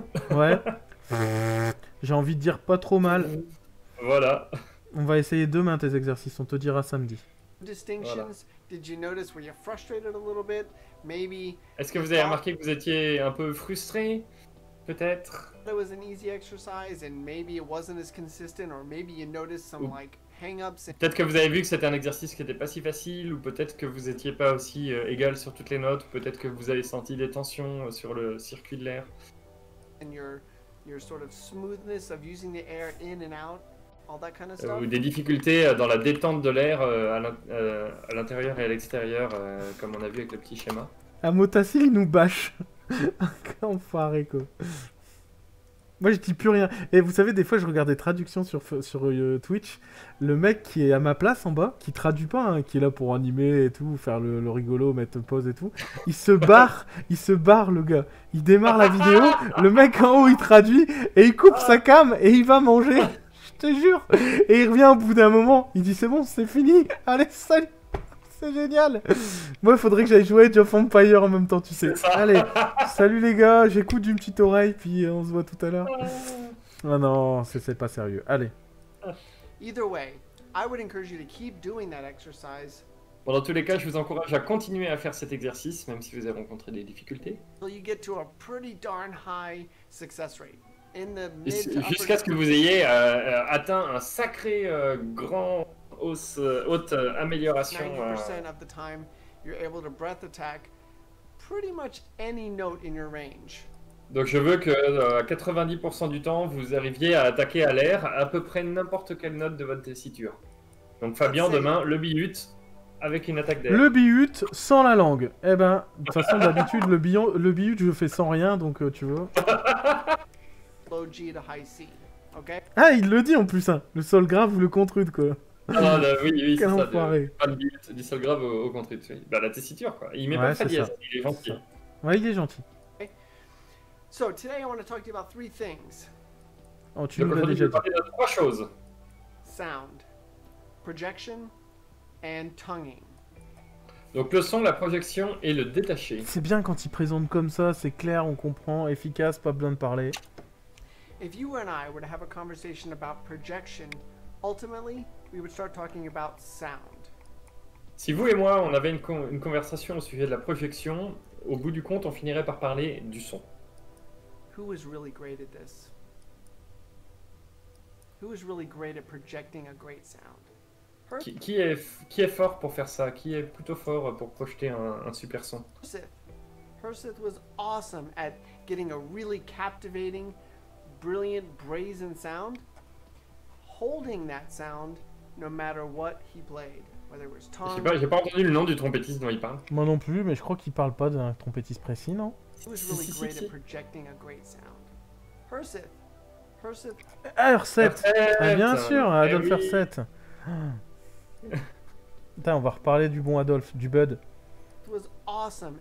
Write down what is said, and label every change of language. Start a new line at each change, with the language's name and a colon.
French: Ouais. J'ai envie de dire pas trop mal. Voilà. On va essayer demain tes exercices, on te dira samedi. Distinctions. Voilà.
English: Did you notice were you frustrated a little bit? Maybe.
French: Est-ce que vous avez remarqué que vous étiez un peu frustré? Peut-être.
English: It was an easy exercise and maybe it wasn't as consistent or maybe you noticed some like hang-ups.
French: Peut-être que vous avez vu que c'était un exercice qui était pas si facile ou peut-être que vous étiez pas aussi égal sur toutes les notes, ou peut-être que vous avez senti des tensions sur le circuit de l'air.
English: And your sort of smoothness of using the air in and out. All that kind of stuff.
French: Ou des difficultés dans la détente de l'air à l'intérieur et à l'extérieur, comme on a vu avec le petit schéma. Amotassil, il nous bâche. Enfoiré, quoi. Moi, je dis plus rien. Et vous savez, des fois, je regarde des traductions sur Twitch. Le mec qui est à ma place en bas, qui traduit pas, hein, qui est là pour animer et tout, faire le rigolo, mettre pause et tout, il se barre. Il se barre, le gars. Il démarre la vidéo, le mec en haut, il traduit, et il coupe sa cam et il va manger. Je te jure. Et il revient au bout d'un moment, il dit c'est bon, c'est fini, allez salut, c'est génial. Moi il faudrait que j'aille jouer Age of Empire en même temps, tu sais. Allez, salut les gars, j'écoute d'une petite oreille, puis on se voit tout à l'heure. Ah non, c'est pas sérieux, allez.
English: Either way, I would encourage you to keep doing that exercise.
French: Bon, dans tous les cas, je vous encourage à continuer à faire cet exercice, même si vous avez rencontré des difficultés.
English: You get to a pretty darn high success rate.
French: Jusqu'à ce que vous ayez atteint un sacré grand haute amélioration.
English: 90% of the time, you're able to breath attack pretty much any note in your range.
French: Donc je veux que 90% du temps, vous arriviez à attaquer à l'air à peu près n'importe quelle note de votre tessiture. Donc Fabien, demain, le biut avec une attaque d'air. Le biut sans la langue. Eh ben, de toute façon, d'habitude, le biut, je fais sans rien, donc tu vois.
English: Low G to high C, okay?
French: Ah, il le dit en plus, hein. Le sol grave ou le contrude, quoi. Ah, là, oui, c'est ça. Du sol grave au contrude. Oui. Bah, la tessiture, quoi. Il met pas de dièse, il est gentil. Ouais, il est gentil. Okay.
English: So, today I want to talk to you about three things.
French: Oh, tu nous l'as déjà dit. Je vais parler de trois choses.
English: Sound, projection, and tonguing.
French: Donc, le son, la projection et le détaché. C'est bien quand il présente comme ça, c'est clair, on comprend, efficace, pas besoin de parler.
English: If you and I were to have a conversation about projection, ultimately, we would start talking about sound.
French: Si vous et moi, on avait une conversation au sujet de la projection, au bout du compte, on finirait par parler du son.
English: Who is really great at this? Who is really great at projecting a great sound?
French: Qui est fort pour faire ça? Qui est plutôt fort pour projeter un super son?
English: Hirsith. Hirsith was awesome at getting a really captivating, brilliant, brazen sound, holding that sound no matter what he played, whether it was tongue...
French: J'ai pas entendu le nom du trompettiste dont il parle. Moi non plus, mais je crois qu'il parle pas d'un trompettiste précis, non?
English: Si. At projecting a great sound. Hirsith. Hirsith.
French: Ah, bien sûr, Adolf Hirsith. Putain, on va reparler du bon Adolf, du Bud.
English: It was awesome